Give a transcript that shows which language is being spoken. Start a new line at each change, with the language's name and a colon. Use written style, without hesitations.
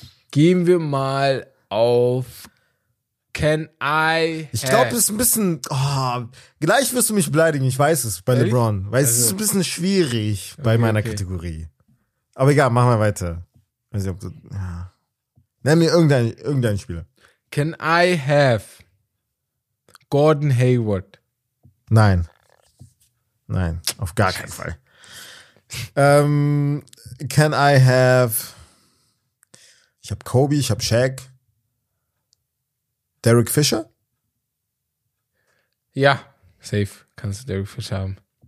German: Gehen wir mal auf
English: Can I
German: Ich glaube, es ist ein bisschen... Oh, gleich wirst du mich beleidigen, ich weiß es, bei LeBron. Weil also, es ist ein bisschen schwierig bei meiner Kategorie. Aber egal, machen wir weiter. Weiß nicht, ob du... Ja. Nenn mir irgendeinen Spieler.
English: Can I have Gordon Hayward?
German: Nein, auf gar keinen Fall.
English: Can I have...
German: Ich habe Kobe, ich habe Shaq. Derek Fisher? Ja, safe. Kannst du Derek Fisher haben.